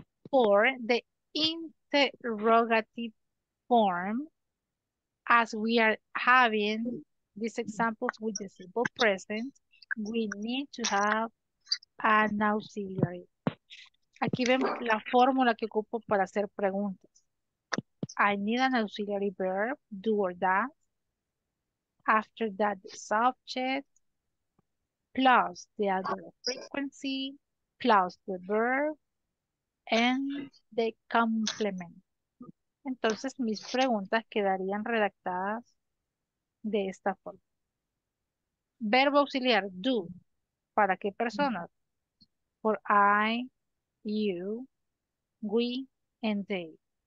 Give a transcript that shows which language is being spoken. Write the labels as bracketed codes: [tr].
[en] For the interrogative form, as we are having these examples with the simple present, we need to have an auxiliary. [es] Aquí vemos la fórmula que ocupo para hacer preguntas. [en] I need an auxiliary verb, do or that. After that, the subject. Plus the adverb frequency, plus the verb, and the complement. [es] Entonces, mis preguntas quedarían redactadas de esta forma. Verbo auxiliar, do. ¿Para qué persona? [en] For I, you, we, and they.